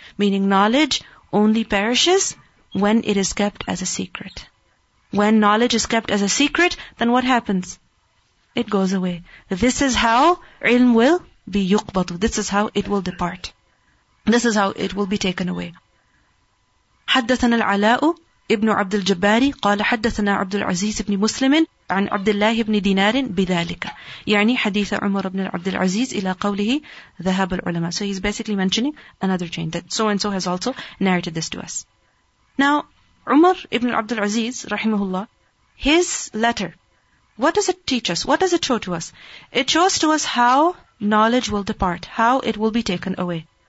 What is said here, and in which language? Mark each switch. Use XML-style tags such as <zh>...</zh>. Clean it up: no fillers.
<en>Meaning knowledge only perishes when it is kept as a secret. When knowledge is kept as a secret, then what happens? It goes away. This is how ilm will be yuqbatu. This is how it will depart. This is how it will be taken away.</en> <ar>حدثنا العلاء ابن عبد الجبار قال حدثنا عبد العزيز ابن مسلم عن عبد الله ابن دينار بذلك. يعني حديث عمر ابن عبد العزيز إلى قوله ذهب العلماء.</ar> <en>So he's basically mentioning another chain that so and so has also narrated this to us. Now, عمر ابن عبد العزيز</en> <ar>رحمه الله,</ar> <en>his letter, what does it teach us? What does it show to us? It shows to us how knowledge will depart, how it will be taken away.</en>